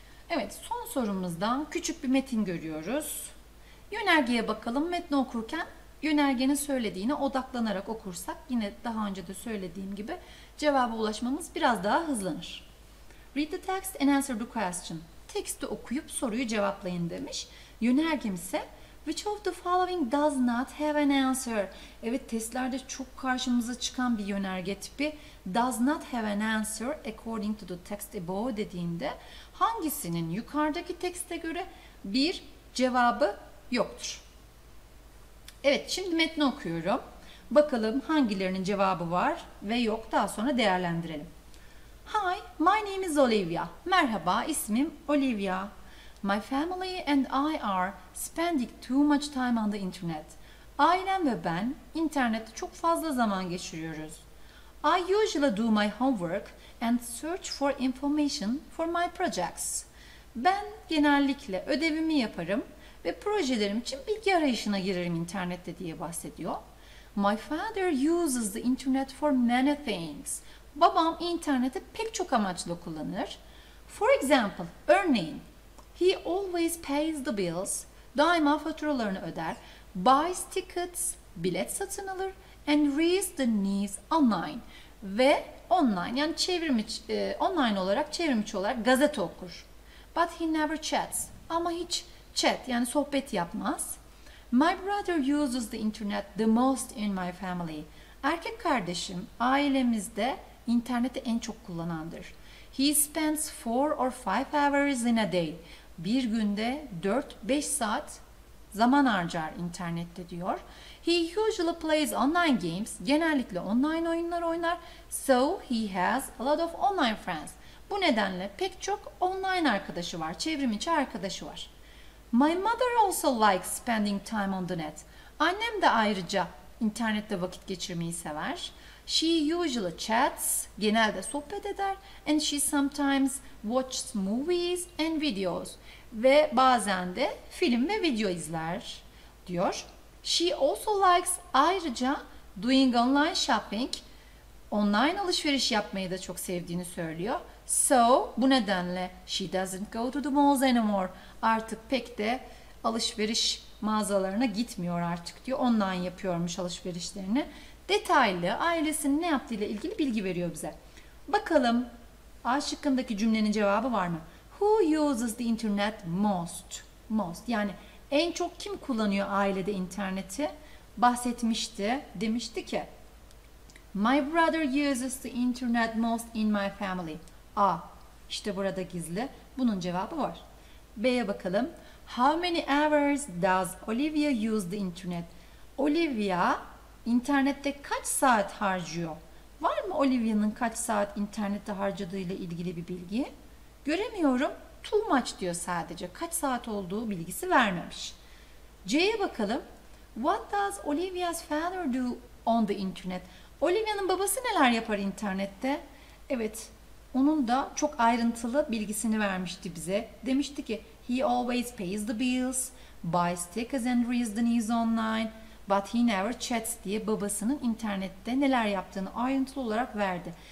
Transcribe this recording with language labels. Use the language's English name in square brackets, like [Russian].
[Turkish] Evet, son sorumuzda küçük bir metin görüyoruz. Yönergeye bakalım. Metni okurken yönergenin söylediğine odaklanarak okursak yine daha önce de söylediğim gibi cevaba ulaşmamız biraz daha hızlanır. [English] Read the text and answer the question. [Turkish] Teksti okuyup soruyu cevaplayın demiş. Yönergem ise [English] which of the following does not have an answer? [Turkish] Evet, testlerde çok karşımıza çıkan bir yönerge tipi. [English] Does not have an answer according to the text above [Turkish] dediğinde hangisinin yukarıdaki tekste göre bir cevabı yoktur? Evet, şimdi metni okuyorum. Bakalım hangilerinin cevabı var ve yok. Daha sonra değerlendirelim. [English] Hi, my name is Olivia. [Turkish] Merhaba, ismim Olivia. [English] My family and I are spending too much time on the internet. [Turkish] Ailem ve ben internette çok fazla zaman geçiriyoruz. [English] I usually do my homework and search for information for my projects. [Turkish] Ben genellikle ödevimi yaparım ve projelerim için bilgi arayışına girerim internette diye bahsediyor. [English] My father uses the internet for many things. [Turkish] Babam interneti pek çok amaçla kullanır. [English] For example, [Turkish] örneğin, [English] he always pays the bills, [Turkish] daima faturalarını öder, [English] buys tickets, [Turkish] bilet satın alır, [English] and reads the news online. [Turkish] Ve online, yani online olarak çevrimiçi olarak gazete okur. [English] But he never chats. [Turkish] Ama hiç chat, yani sohbet yapmaz. [English] My brother uses the internet the most in my family. [Turkish] Erkek kardeşim ailemizde interneti en çok kullanandır. [English] He spends 4 or 5 hours in a day. [Turkish] Bir günde 4-5 saat zaman harcar internette diyor. [English] He usually plays online games. [Turkish] Genellikle online oyunlar oynar. [English] So he has a lot of online friends. [Turkish] Bu nedenle pek çok online arkadaşı var. [English] Çevrim içi arkadaşı var. My mother also likes spending time on the net. [Turkish] Annem de ayrıca internette vakit geçirmeyi sever. [English] She usually chats, [Turkish] genelde sohbet eder. [English] And she sometimes watches movies and videos. [Turkish] Ve bazen de film ve video izler, diyor. [English] She also likes [Turkish] ayrıca [English] doing online shopping, [Turkish] online alışveriş yapmayı da çok sevdiğini söylüyor. [English] So, [Turkish] bu nedenle [English] she doesn't go to the malls anymore. [Turkish] Artık pek de alışveriş mağazalarına gitmiyor artık diyor. Online yapıyormuş alışverişlerini. Detaylı ailesinin ne yaptığı ile ilgili bilgi veriyor bize. Bakalım A şıkkındaki cümlenin cevabı var mı? [English] Who uses the internet most? [Turkish] Most yani en çok kim kullanıyor ailede interneti? Bahsetmişti. Demişti ki [English] My brother uses the internet most in my family. [Turkish] A. İşte burada gizli. Bunun cevabı var. B'ye bakalım. [English] How many hours does Olivia use the internet? [Turkish] Olivia internette kaç saat harcıyor? Var mı Olivia'nın kaç saat internette harcadığı ile ilgili bir bilgi? Göremiyorum. [English] Too much [Turkish] diyor sadece. Kaç saat olduğu bilgisi vermemiş. C'ye bakalım. [English] What does Olivia's father do on the internet? [Turkish] Olivia'nın babası neler yapar internette? Evet, onun da çok ayrıntılı bilgisini vermişti bize. Demişti ki, [English] he always pays the bills, buys tickets and reads the news online, but he never chats [Turkish] diye babasının internette neler yaptığını ayrıntılı olarak verdi.